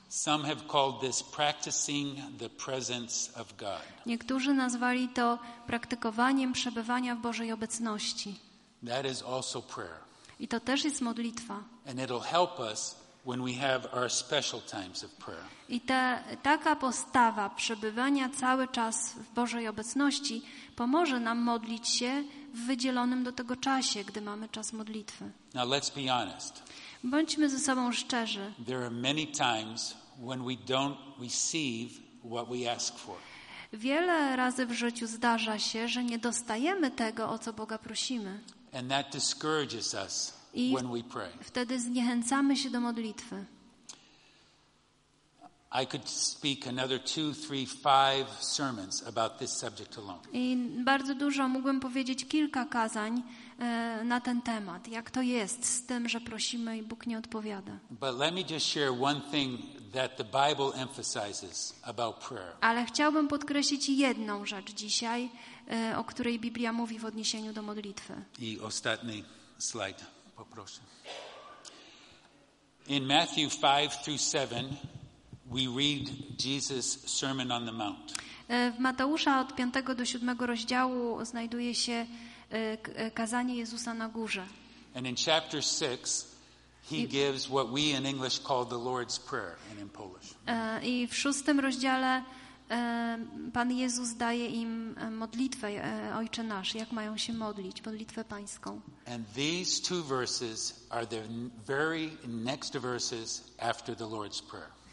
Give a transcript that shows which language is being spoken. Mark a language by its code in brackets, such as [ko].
[en] Some have called this practicing the presence of God. [pl] Niektórzy nazwali to praktykowaniem przebywania w Bożej obecności. [en] That is also prayer. [pl] I to też jest modlitwa. [en] And it'll help us when we have our special times of prayer. [pl] I taka postawa przebywania cały czas w Bożej obecności pomoże nam modlić się w wydzielonym do tego czasie, gdy mamy czas modlitwy. [en] Now let's be honest. [pl] Bądźmy ze sobą szczerzy. [en] There are many times when we don't receive what we ask for. [pl] Wiele razy w życiu zdarza się, że nie dostajemy tego, o co Boga prosimy. [en] And that discourages us when we pray. [pl] Wtedy zniechęcamy się do modlitwy. [en] I could speak another 2, 3, 5 sermons about this subject alone. [pl] I bardzo dużo mógłbym powiedzieć, kilka kazań na ten temat, jak to jest z tym, że prosimy i Bóg nie odpowiada. [en] But let me just share one thing that the Bible emphasizes about prayer. [pl] Ale chciałbym podkreślić jedną rzecz dzisiaj, o której Biblia mówi w odniesieniu do modlitwy. I ostatni slajd poproszę. [en] In Matthew 5-7 we read Jesus' Sermon on the Mount. [pl] W Mateusza od 5 do 7 rozdziału znajduje się kazanie Jezusa na górze. [en] And in chapter 6 he gives what we in English call the Lord's Prayer and in Polish. [pl] I w 6 rozdziale Pan Jezus daje im modlitwę Ojcze nasz, jak mają się modlić, modlitwę pańską. [en] And these two verses are the very next verses after the Lord's Prayer.